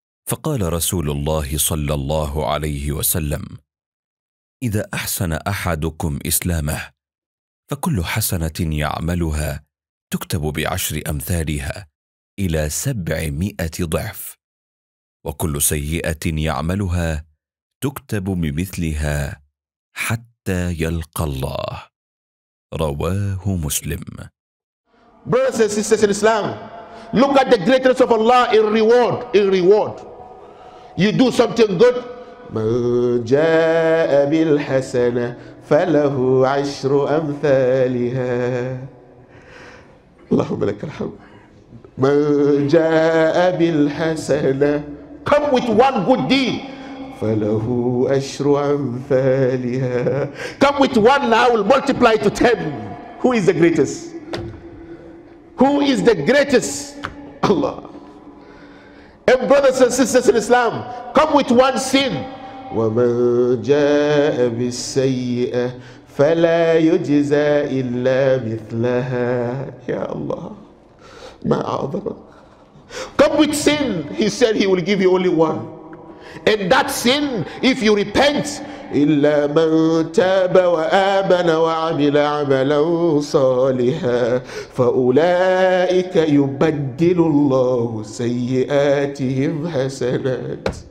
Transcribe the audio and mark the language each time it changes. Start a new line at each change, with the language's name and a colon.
Arabic: فقال رسول الله صلى الله عليه وسلم: إذا أحسن أحدكم إسلامه فكل حسنة يعملها تكتب بعشر أمثالها إلى 700 ضعف، وكل سيئة يعملها تكتب بمثلها حتى يلقى الله. رواه مسلم.
English: Brothers and sisters in Islam, look at the greatness of Allah in reward. In reward, you do something good.
Arabic: من جاء بالحسنة فله عشر أمثالها. اللهم لك الحمد. من جاء بالحسنة.
English: Come with one good deed.
Arabic: فله عشر أمثالها.
English: Come with one now, we'll multiply to 10. Who is the greatest? Who is the greatest? Allah. And brothers and sisters in Islam, come with one sin.
Arabic: ومن جاء بالسيئة فلا يجزى إلا مثلها. يا الله ما أعظمك.
English: Come with sin, he said he will give you only one. And that sin, if you repent,
Arabic: إلا من تاب وآمن وعمل عملا صالحا فأولئك يبدل الله سيئاتهم حسنات.